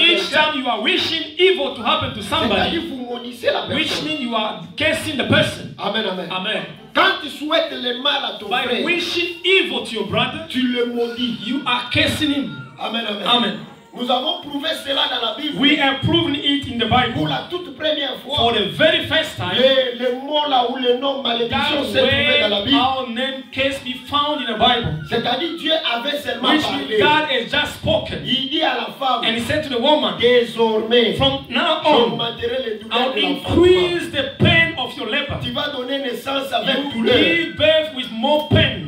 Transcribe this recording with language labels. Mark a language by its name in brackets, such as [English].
[English] each time you are wishing evil to happen to somebody, which means you are cursing the person. Amen, amen. Amen. [French] Quand tu souhaites le mal à ton frère, [English] wishing evil to your brother, [French] tu le maudis. [English] You are cursing him. Amen, amen. Amen. [French] Nous avons prouvé cela dans la Bible. [English] We have proven it in the Bible. [French] Pour la toute première fois. [English] For the very first time. [French] Le mot là où le nom malédiction s'est trouvé dans la Bible. [English] Our name case be found in the Bible. [French] C'est-à-dire Dieu avait seulement [English] which [French] parlé. [English] Which God has just spoken. [French] Il dit à la femme. [English] And he said to the woman. [French] Désormais. [English] From now on. I'll increase the pain of your labor. [French] Tu vas donner naissance avec [English] you [French] douleur. [English] You give birth with more pain.